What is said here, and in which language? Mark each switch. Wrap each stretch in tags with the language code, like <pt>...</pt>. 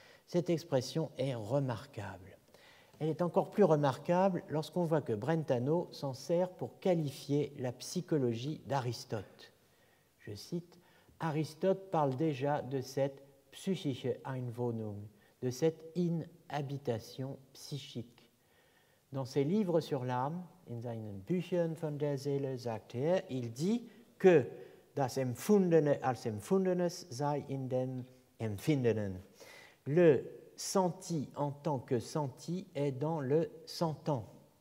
<fr>Cette expression est remarquable. Elle est encore plus remarquable lorsqu'on voit que Brentano s'en sert pour qualifier la psychologie d'Aristote. Je cite: Aristote parle déjà de cette</fr> <de>psychische Einwohnung,</de> <fr>de cette inhabitation psychique. Dans ses livres sur l'âme,</fr> <de>in seinen Büchern von der Seele, sagt er,</de> <fr>il dit que</fr> <de>das Empfundene als Empfundenes sei in dem Empfindenen.</de> <fr>Le senti en tant que senti est dans le sentant.</fr>